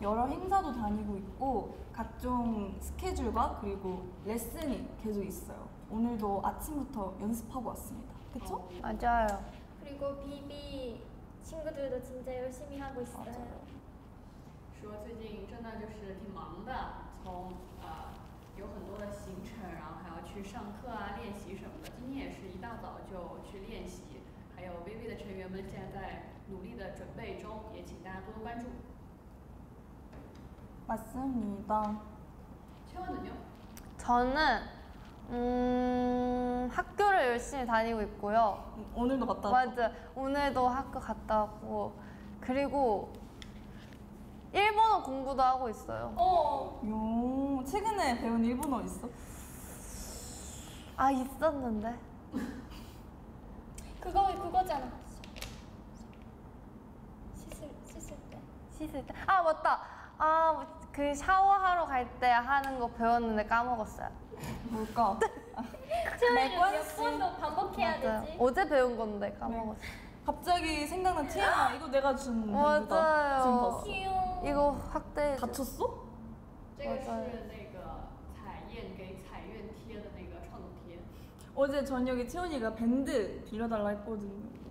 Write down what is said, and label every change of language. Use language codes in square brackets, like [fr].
[ko] 여러 행사도 다니고 있고 각종 스케줄과 그리고 레슨이 계속 있어요. 오늘도 아침부터 연습하고 왔습니다. 그쵸? 맞아요. 그리고 비비 친구들도 진짜 열심히 하고 있어요. [zh] 说最近真的就是挺忙的，从有很多的行程，然后还要去上课啊、练习什么的。今天也是一大早就去练习，还有微微的成员们现在在努力的准备中，也请大家多多关注。 [ko] 맞습니다. 저는 학교를 열심히 다니고 있고요. 오늘도 갔다 왔고. 맞아. 오늘도 학교 갔다 왔고. 그리고 일본어 공부도 하고 있어요. 어. 요. 최근에 배운 일본어 있어? 아, 있었는데. 그거잖아. 씻을 때. 씻을 때. 아, 맞다. 아, 그 샤워하러 갈 때 하는 거 배웠는데 까먹었어요. 뭘까? 몇 번도 반복해야 맞아요. 되지. 어제 배운 건데 까먹었어. 갑자기 생각난 티에나 이거 내가 준 맞아요. 문구다. 맞아요. 이거 확대. 다쳤어? [zh] 这个是那个彩燕给彩燕贴的那个创作贴. [ko] 어제 저녁에 채원이가 밴드 빌려달라 했거든요.